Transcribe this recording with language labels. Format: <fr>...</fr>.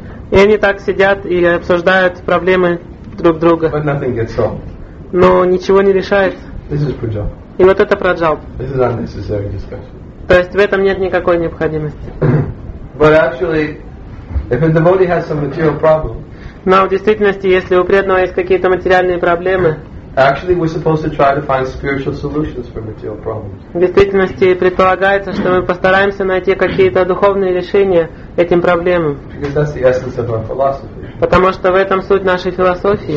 <ru>И они так сидят и обсуждают проблемы друг друга.</ru> <en>But nothing gets solved.</en> <ru>Но ничего не решается.</ru> <en>This is prajalpa.</en> <ru>И вот это праджалпа.</ru> <en>This is unnecessary discussion.</en> <ru>То есть в этом нет никакой необходимости.</ru> <en>But actually, if a devotee has some material problem,</en> <ru>но в действительности, если у преданного есть какие-то материальные проблемы,</ru> <en>Actually, we're supposed to try to find spiritual solutions for material problems.</en> <ru>В действительности предполагается, что мы постараемся найти какие-то духовные решения этим проблемам.</ru> <en>Because that's the essence of our philosophy.</en> <ru>Потому что в этом суть нашей философии.</ru>